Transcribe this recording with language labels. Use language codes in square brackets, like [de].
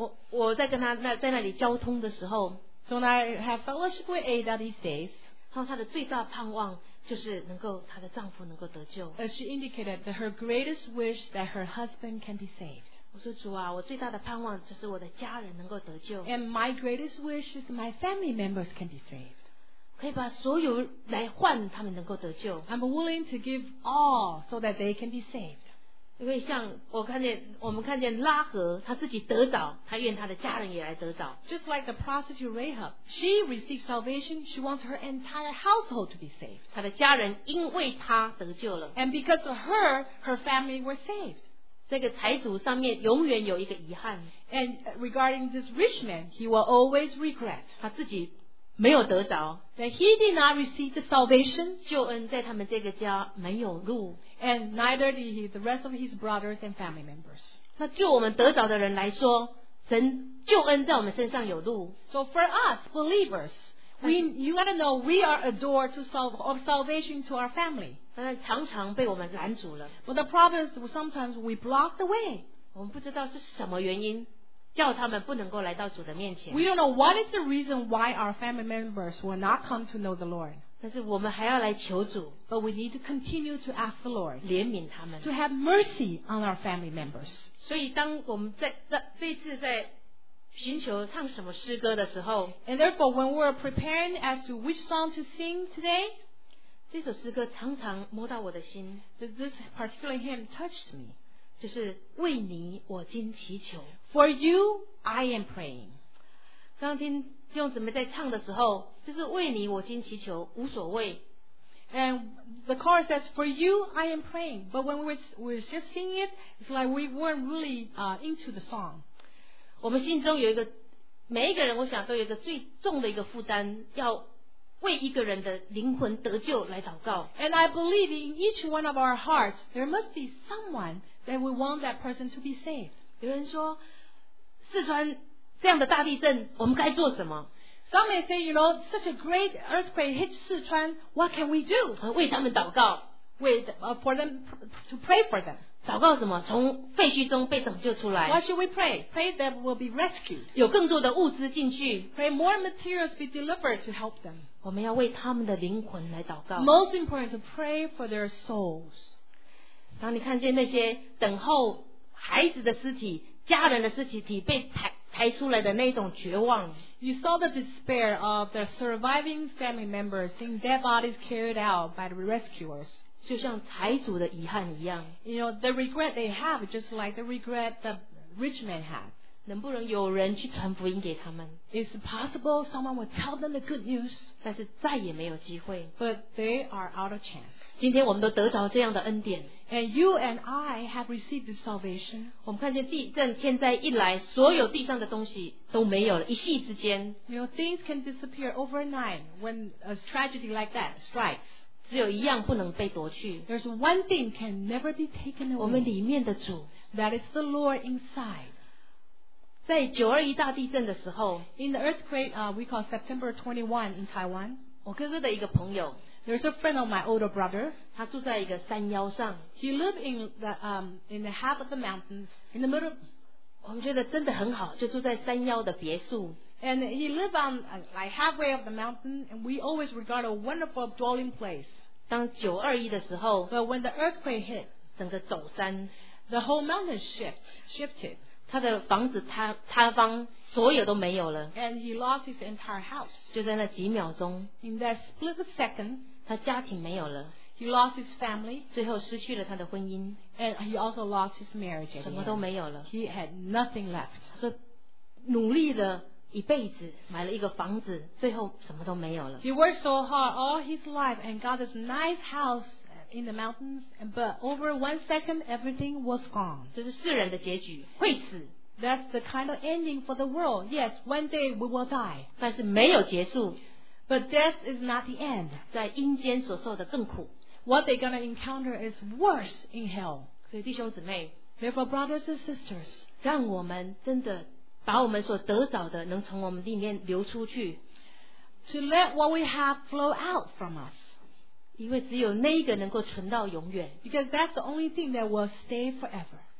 [zh] 我在跟他那在那里交通的时候 [en] So when I have fellowship with Ada these days [zh] 她的最大盼望就是能够她的丈夫能够得救 [en] As she indicated that her greatest wish that her husband can be saved [zh] 我说主啊我最大的盼望就是我的家人能够得救 [en] And my greatest wish is my family members can be saved [zh] 可以把所有来换他们能够得救 [en] I'm willing to give all so that they can be saved [zh] 因为像我看见我们看见拉合他自己得着他愿他的家人也来得着 [en] Just like the prostitute Rahab She received salvation She wants her entire household to be saved [zh] 他的家人因为他得救了 [en] And because of her Her family were saved [zh] 这个财主上面永远有一个遗憾 [en] And regarding this rich man He will always regret [zh] 他自己没有得着 [en] That he did not receive the salvation [zh] 救恩在他们这个家没有路 [en] And neither did he the rest of his brothers and family members [zh] 那就我们得着的人来说神救恩在我们身上有路 [en] So for us believers we, You gotta know we are a door to of salvation to our family [zh] 但是常常被我们拦阻了 [en] But the problem is sometimes we block the way [zh] 我们不知道是什么原因叫他们不能够来到主的面前 [en] We don't know what is the reason why our family members will not come to know the Lord [zh] 但是我们还要来求主 [en] But we need to continue to ask the Lord [zh] 怜悯他们 [en] To have mercy on our family members [zh] 所以当我们在这一次在寻求唱什么诗歌的时候 [en] And therefore when we're preparing as to which song to sing today [zh] 这首诗歌常常摸到我的心 [en] This particular hymn touched me [zh] 就是为你我今祈求 [en] For you, I am praying. [zh] 刚刚听弟兄姊妹在唱的时候，就是为你我今祈求，无所谓。 [en] And the chorus says, "For you, I am praying." But when we just sing it, it's like we weren't really into the song. [zh] 我们心中有一个，每一个人我想都有一个最重的一个负担，要为一个人的灵魂得救来祷告。 [en] And I believe in each one of our hearts, there must be someone that we want that person to be saved. [zh] 有人说四川这样的大地震我们该做什么 [en] Some may say you know such a great earthquake hit 四川 What can we do? [zh] 为他们祷告 [en] for them to pray for them [zh] 祷告什么从废墟中被拯救出来 [en] What should we pray? Pray that we'll be rescued [zh] 有更多的物资进去 [en] Pray more materials be delivered to help them [zh] 我们要为他们的灵魂来祷告 [en] Most important to pray for their souls [zh] 当你看见那些等候孩子的尸体家人的尸体被 抬出来的那种绝望 [en] You saw the despair of the surviving family members seeing their bodies carried out by the rescuers [zh] 就像财主的遗憾一样 [en] You know, the regret they have just like the regret the rich man had [zh] 能不能有人去传福音给他们 [en] It's possible someone will tell them the good news [zh] 但是再也没有机会 [en] But they are out of chance [zh] 今天我们都得着这样的恩典 [en] And you and I have received the salvation. [zh] 我们看见地震天灾一来所有地上的东西都没有了一夕之间 [en] You know, things can disappear overnight when a tragedy like that strikes. [zh] 只有一样不能被夺去 [en] There's one thing can never be taken away. [zh] 我们里面的主 [en] That is the Lord inside. [zh] 在921大地震的时候 [en] In the earthquake, we call September 21 in Taiwan. [zh] 我哥哥的一个朋友 [en] There's a friend of my older brother. [zh] 他住在一个山腰上。 [en] He lived in the half of the mountains in the middle. [zh] 我们觉得真的很好，就住在山腰的别墅。 [en] And he lived on like halfway of the mountain, and we always regard a wonderful dwelling place. [zh] 当921的时候 [en] ，But when the earthquake hit, [zh] 整个陡山 [en] ，the whole mountain shifted. [zh] 他的房子塌方。所有都没有了 [en] And he lost his entire house [zh] 就在那几秒钟 [en] In that split second [zh] 他家庭没有了 [en] He lost his family [zh] 最后失去了他的婚姻 [en] And he also lost his marriage [zh] 什么都没有了 [en] He had nothing left [zh] 他说努力了一辈子买了一个房子最后什么都没有了 [en] He worked so hard all his life and got this nice house in the mountains but over one second everything was gone [zh] 这是世人的结局会死 [en] That's the kind of ending for the world. Yes, one day we will die. [zh] 但是没有结束。 [en] But death is not the end. [zh] 在阴间所受的更苦。 [en] What they're going to encounter is worse in hell. [zh] 所以弟兄姊妹。 [en] Therefore, brothers and sisters. [zh] 让我们真的把我们所得着的能从我们里面流出去。 [en] To let what we have flow out from us. [zh] 因为只有那个能够存到永远。 [en] Because that's the only thing that will stay forever.